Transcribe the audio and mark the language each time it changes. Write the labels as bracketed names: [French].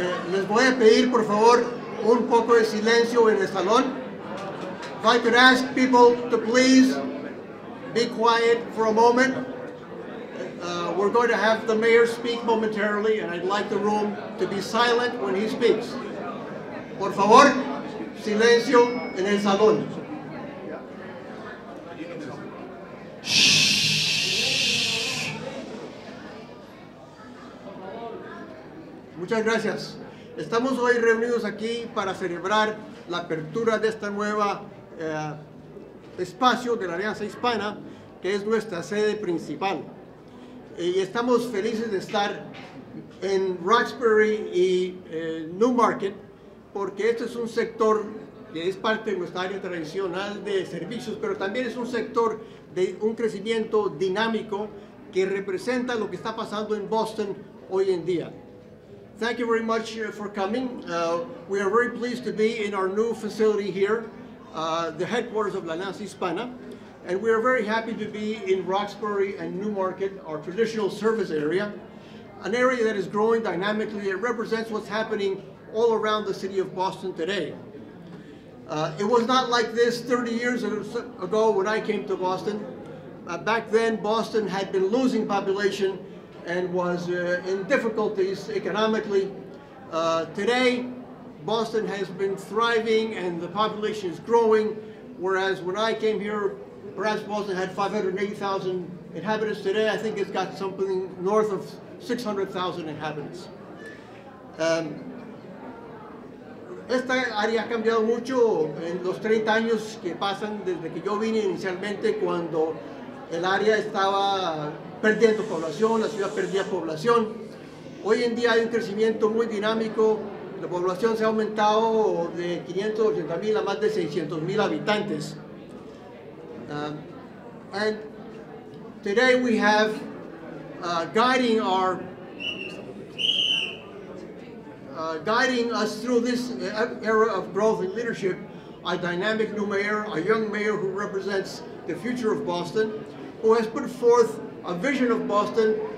[Spanish] Les voy a pedir, por favor, un poco de silencio en el salón. [English] If I could ask people to please be quiet for a moment. We're going to have the mayor speak momentarily, and I'd like the room to be silent when he speaks. [Spanish] Por favor, silencio en el salón. Muchas gracias. Estamos hoy reunidos aquí para celebrar la apertura de esta nueva espacio de la Alianza Hispana, que es nuestra sede principal. Y estamos felices de estar en Roxbury y Newmarket, porque este es un sector que es parte de nuestra área tradicional de servicios, pero también es un sector de un crecimiento dinámico que representa lo que está pasando en Boston hoy en día. [English] Thank you very much for coming. We are very pleased to be in our new facility here, the headquarters of La Lanza Hispana. And we are very happy to be in Roxbury and Newmarket, our traditional service area, an area that is growing dynamically. It represents what's happening all around the city of Boston today. It was not like this 30 years ago when I came to Boston. Back then, Boston had been losing population and was in difficulties economically. Today, Boston has been thriving and the population is growing, whereas when I came here, perhaps Boston had 580,000 inhabitants. Today, I think it's got something north of 600,000 inhabitants. [Spanish] Esta área ha cambiado mucho en los 30 años que pasan desde que yo vine inicialmente, cuando el área estaba perdiendo población, la ciudad perdía población. Hoy en día hay un crecimiento muy dinámico. La población se ha aumentado de 580,000 a más de 600,000 habitantes. [English] And today we have guiding us through this era of growth and leadership, a dynamic new mayor, a young mayor who represents the future of Boston, who has put forth a vision of Boston.